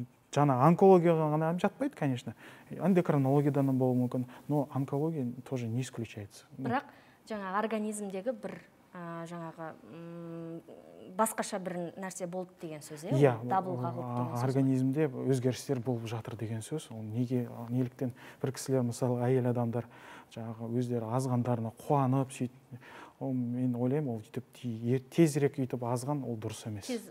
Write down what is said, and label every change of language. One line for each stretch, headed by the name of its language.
Kazakh: Жаңа онкологияға ғана әм жатпайды, конечно. Эндокринологиядан болу мүмкін,
Russian: но онкология тоже не исключается.
Kazakh: Бірақ жаңа организмдегі бір жаңағы басқаша бір нәрсе болды деген сөз, дабыл қағылды деген сөз. Организмде өзгерістер болып жатыр деген сөз. Неге, неліктен бір кісілер, мысалы, әйел адамдар жаңағы өздері азғандарына қуанып, мен ойлайым, ол тезірек үйтіп азған, ол дұрыс емес.